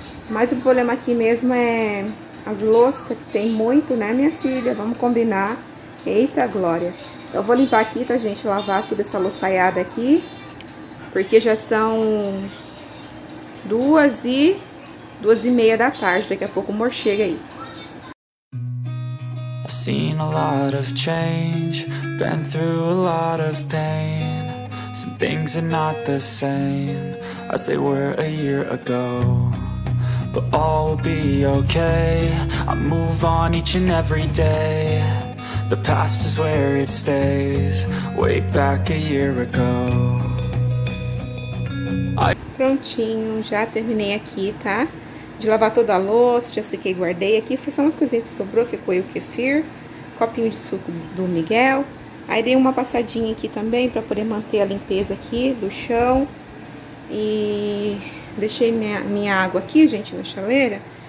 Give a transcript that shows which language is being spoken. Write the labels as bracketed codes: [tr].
[pt] Mas o problema aqui mesmo é as louças, que tem muito, né, minha filha? Vamos combinar. Eita, Glória. Então, eu vou limpar aqui, tá, gente? Lavar toda essa louçaiada aqui. Porque já são 2:30 da tarde. Daqui a pouco o amor chega aí. [en] I've seen a lot of change, been through a lot of pain. Some things are not the same as they were a year ago. But all will be okay, I move on each and every day. The past is where it stays, way back a year ago. [pt] Prontinho, já terminei aqui, tá? De lavar toda a louça, já sequei e guardei aqui. Foi só umas coisinhas que sobrou, que coei o kefir. Copinho de suco do Miguel. Aí dei uma passadinha aqui também pra poder manter a limpeza aqui do chão. E deixei minha água aqui, gente, na chaleira.